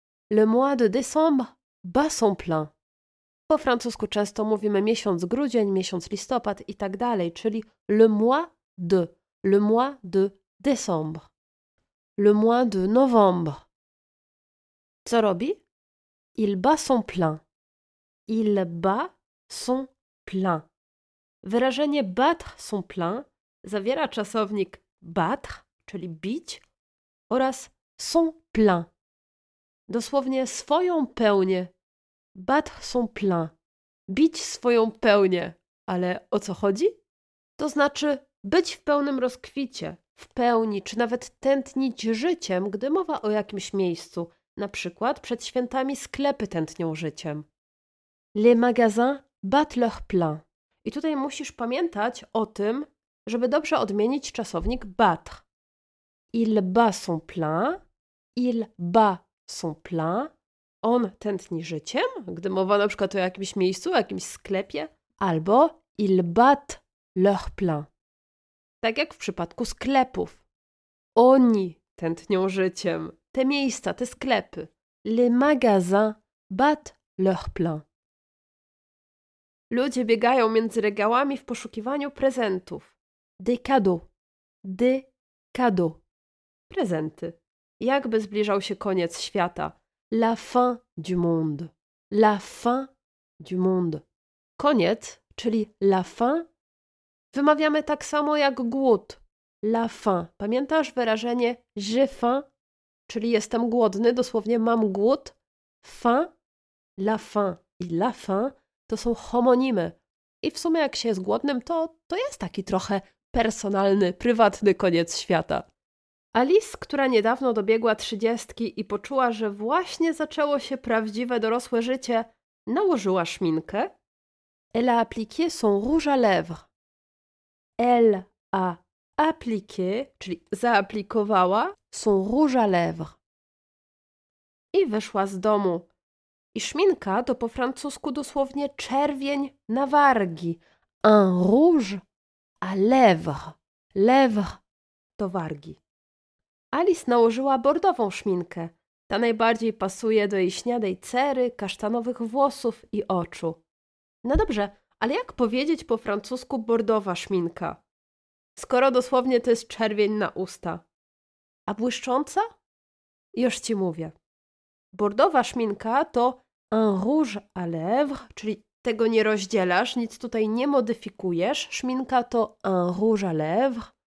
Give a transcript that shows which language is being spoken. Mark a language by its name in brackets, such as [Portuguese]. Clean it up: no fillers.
[French] Le mois de décembre bat son plein. [Polish] Po francusku często mówimy miesiąc grudzień, miesiąc listopad i tak dalej, czyli [French] le mois de décembre, le mois de novembre. [Polish] Co robi? [French] Il bat son plein. Il bat son plein. [Polish] Wyrażenie battre son plein zawiera czasownik battre, czyli bić, oraz son plein. Dosłownie swoją pełnię. [French] Battre son plein. [Polish] Bić swoją pełnię. Ale o co chodzi? To znaczy być w pełnym rozkwicie, w pełni, czy nawet tętnić życiem, gdy mowa o jakimś miejscu. Na przykład przed świętami sklepy tętnią życiem. [French] Les magasins battent leur plein. [Polish] I tutaj musisz pamiętać o tym, żeby dobrze odmienić czasownik battre. [French] Il bat son plein. Il bat son plein. [Polish] On tętni życiem, gdy mowa na przykład o jakimś miejscu, o jakimś sklepie. Albo [French] ils battent leur plein. [Polish] Tak jak w przypadku sklepów. Oni tętnią życiem. Te miejsca, te sklepy. [French] Les magasins battent leur plein. [Polish] Ludzie biegają między regałami w poszukiwaniu prezentów. [French] Des cadeaux. Des cadeaux. [Polish] Prezenty. Jakby zbliżał się koniec świata. [French] La fin du monde. La fin du monde. [Polish] Koniec, czyli la fin, wymawiamy tak samo jak głód. [French] La fin. [Polish] Pamiętasz wyrażenie [French] j'ai faim? [Polish] Czyli jestem głodny, dosłownie mam głód. Faim, la faim i la faim to są homonimy. I w sumie jak się jest głodnym, to jest taki trochę personalny, prywatny koniec świata. Alice, która niedawno dobiegła 30 i poczuła, że właśnie zaczęło się prawdziwe dorosłe życie, nałożyła szminkę. [French] Elle a appliqué son rouge à lèvres. Elle a appliqué, [Polish] czyli zaaplikowała, [French] son rouge à lèvres. [Polish] I wyszła z domu. I szminka to po francusku dosłownie czerwień na wargi. [French] Un rouge à lèvres. [Polish] Lèvres to wargi. Alice nałożyła bordową szminkę. Ta najbardziej pasuje do jej śniadej cery, kasztanowych włosów i oczu. No dobrze, ale jak powiedzieć po francusku bordowa szminka? Skoro dosłownie to jest czerwień na usta. A błyszcząca? Już ci mówię. Bordowa szminka to [French] un rouge à lèvres, [Polish] czyli tego nie rozdzielasz, nic tutaj nie modyfikujesz. Szminka to [French] un rouge à lèvres.